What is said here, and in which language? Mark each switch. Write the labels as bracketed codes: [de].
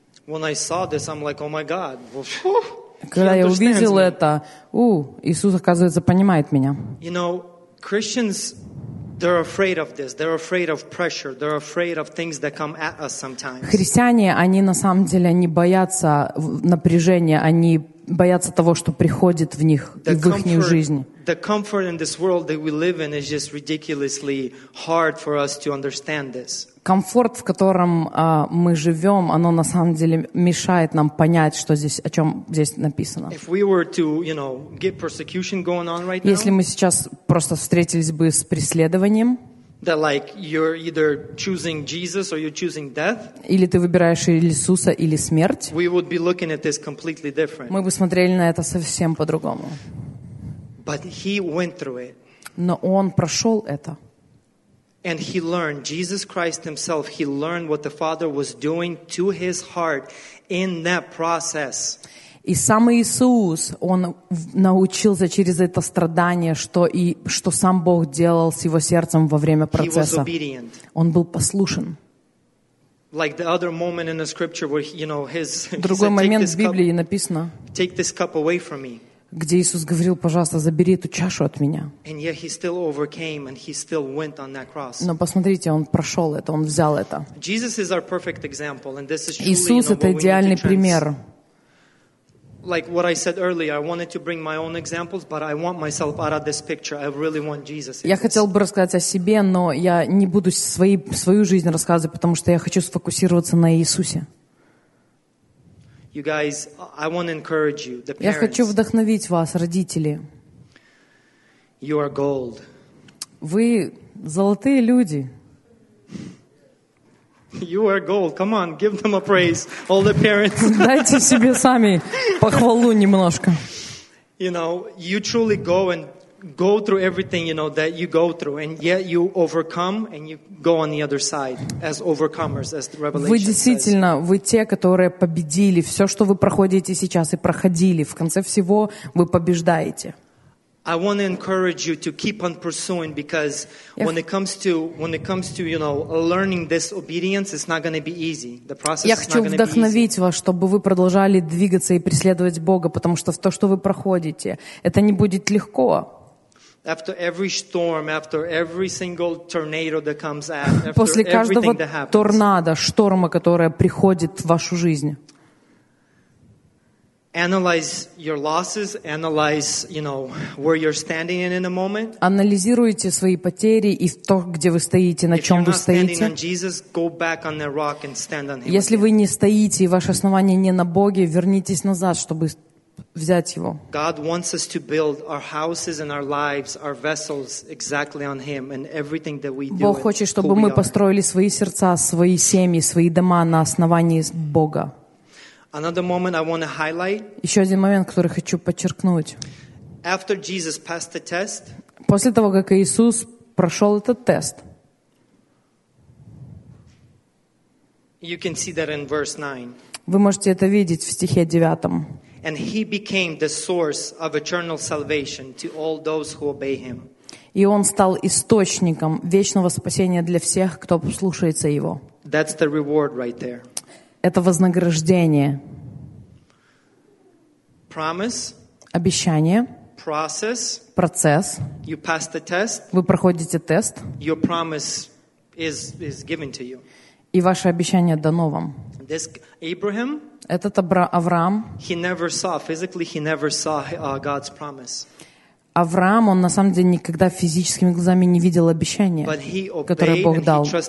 [en] When I saw this, I'm like, oh my God. [ru] Когда я увидел это, Иисус, оказывается, понимает меня. [en] You know, Christians, they're afraid of this. They're afraid of pressure. They're afraid of things that come at us sometimes. [ru] Христиане, они на самом деле не боятся напряжения, они боятся того, что приходит в них и в их жизнь. [en] The comfort in this world that we live in is just ridiculously hard for us to understand this. [ru] Комфорт, в котором мы живем, оно на самом деле мешает нам понять, что здесь, о чем здесь написано. [en] If we were to, you know, get persecution going on right now, [ru] если мы сейчас просто встретились бы с преследованием, [en] that like you're either choosing Jesus or you're choosing death. [ru] Или ты выбираешь Иисуса или смерть. [en] We would be looking at this completely different. [ru] Мы бы смотрели на это совсем по-другому. [en] But he went through it. [ru] Но он прошел это. [en] And he learned Jesus Christ himself. He learned what the Father was doing to his heart in that process. [ru] И сам Иисус, он научился через это страдание, что сам Бог делал с его сердцем во время процесса. Он был послушен. [en] Like the other moment in the scripture where, you know, his, [ru] другой момент в Библии написано, [en] take this cup away from me. [ru] Где Иисус говорил, пожалуйста, забери эту чашу от меня. [en] And yet he still overcame and he still went on that cross. [ru] Но посмотрите, он прошел это, он взял это. [en] Jesus is our perfect example, and this is truly, [ru] Иисус, [en] you know, [ru] это идеальный пример. [en] Like what I said earlier, I wanted to bring my own examples, but I want myself out of this picture. I really want Jesus. [ru] Я хотел бы рассказать о себе, но я не буду свою жизнь рассказывать, потому что я хочу сфокусироваться на Иисусе. [en] You guys, I want to encourage you, the parents. [ru] Я хочу вдохновить вас, родители. [en] You are gold. [ru] Вы золотые люди. [en] You are gold. Come on, give them a praise, all the parents. [ru] Дайте себе сами похвалу немножко. [en] You know, you truly go through everything, you know, that you go through, and yet you overcome, and you go on the other side as overcomers, as the Revelation says. [ru] Вы действительно, вы те, которые победили все, что вы проходите сейчас и проходили. В конце всего, вы побеждаете. [en] I want to encourage you to keep on pursuing because when it comes to you know learning this obedience, it's not going to be easy. The process is not going to be easy. [ru] Я хочу вдохновить вас, чтобы вы продолжали двигаться и преследовать Бога, потому что то, что вы проходите, это не будет легко. [en] After every storm, after every single tornado that comes out, after [ru] после каждого торнадо, шторма, которая приходит в вашу жизнь. [en] Analyze your losses, analyze, you know, where you're standing in a moment. [ru] Анализируйте свои потери и то, где вы стоите, на чём вы стоите. [en] If you're not standing on Jesus, go back on the rock and stand on him. [ru] Если вы не стоите, и ваше основание не на Боге, вернитесь назад, чтобы взять его. [en] God wants us to build our houses and our lives, our vessels exactly on him and everything that we do. [ru] Бог хочет, чтобы мы построили свои сердца, свои семьи, свои дома на основании Бога. [en] Another moment I want to highlight. [ru] Еще один момент, который хочу подчеркнуть. [en] After Jesus passed the test. [ru] После того, как Иисус прошел этот тест. [en] You can see that in verse 9. [ru] Вы можете это видеть в стихе 9. [en] And he became the source of eternal salvation to all those who obey him. [ru] И он стал источником вечного спасения для всех, кто послушается его. [en] That's the reward right there. [ru] Это вознаграждение. [en] Promise. [ru] Обещание. [en] Process. [ru] Процесс. [en] You pass the test. [ru] Вы проходите тест. [en] Your promise is given to you. [ru] И ваше обещание дано вам. [en] This Abraham. [ru] Этот Авраам. [en] He never saw physically. He never saw God's promise. [ru] Авраам, он на самом деле никогда физическими глазами не видел обещания, которое Бог дал.